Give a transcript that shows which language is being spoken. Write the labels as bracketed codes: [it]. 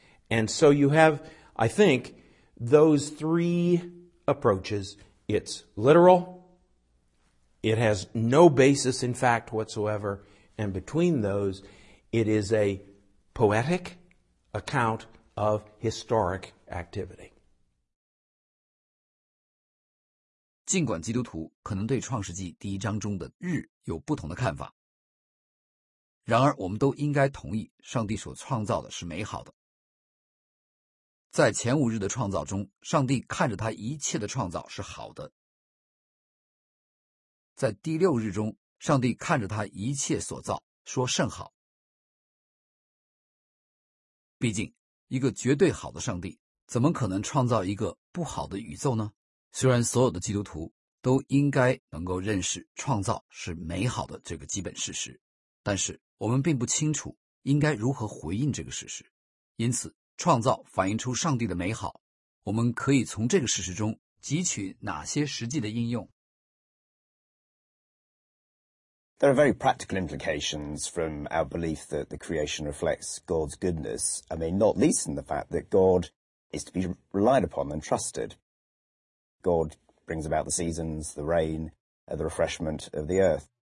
[en] And so you have, I think, those three approaches. It's literal, it has no basis in fact whatsoever, and between those, it is a poetic account of historic activity. [zh] 尽管基督徒可能对创世纪第一章中的日有不同的看法，然而我们都应该同意上帝所创造的是美好的。在前五日的创造中，上帝看着他一切的创造是好的。在第六日中，上帝看着他一切所造，说甚好。毕竟，一个绝对好的上帝，怎么可能创造一个不好的宇宙呢？虽然所有的基督徒都应该能够认识创造是美好的这个基本事实，但是我们并不清楚应该如何回应这个事实。因此，创造反映出上帝的美好，我们可以从这个事实中汲取哪些实际的应用？ [en] There are very practical implications from our belief that the creation reflects God's goodness. I mean, not least in the fact that God is to be relied upon and trusted. God brings about the seasons, the rain, the refreshment of the earth.